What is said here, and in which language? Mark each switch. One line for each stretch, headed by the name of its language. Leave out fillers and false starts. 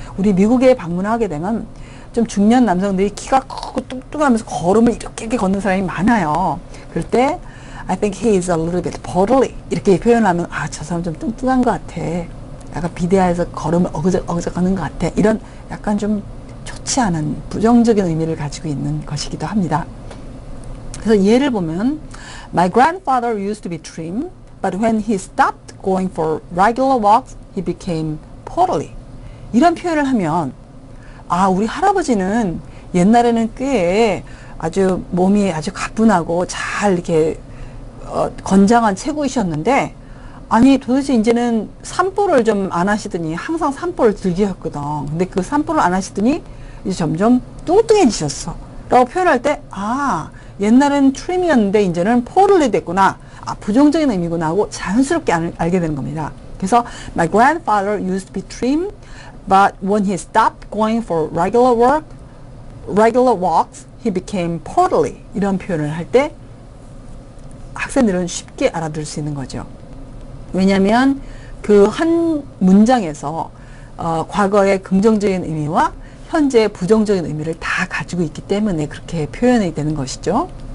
Korean: 우리 미국에 방문하게 되면 좀 중년 남성들이 키가 크고 뚱뚱하면서 걸음을 이렇게 걷는 사람이 많아요. 그럴 때
English: I think he is a little bit portly
Korean: 이렇게 표현하면 아, 저 사람 좀 뚱뚱한 것 같아. 약간 비대해서 걸음을 어그적 걷는 것 같아. 이런 약간 좀 좋지 않은 부정적인 의미를 가지고 있는 것이기도 합니다. 그래서 예를 보면
English: My grandfather used to be trim, but when he stopped going for regular walks, he became portly.
Korean: 이런 표현을 하면 아, 우리 할아버지는 옛날에는 꽤 아주 몸이 아주 가뿐하고 잘 이렇게 건장한 체구이셨는데 아니 도대체 이제는 산보를 좀 안 하시더니 항상 산보를 즐기셨거든. 근데 그 산보를 안 하시더니 이제 점점 뚱뚱해지셨어 라고 표현할 때 아, 옛날엔 트림이었는데 이제는 포를리 됐구나. 아, 부정적인 의미구나 하고 자연스럽게 알게 되는 겁니다. 그래서
English: My grandfather used to be trim But when he stopped going for regular walks, he became portly.
Korean: 이런 표현을 할 때 학생들은 쉽게 알아들 수 있는 거죠. 왜냐하면 그 한 문장에서 과거의 긍정적인 의미와 현재의 부정적인 의미를 다 가지고 있기 때문에 그렇게 표현이 되는 것이죠.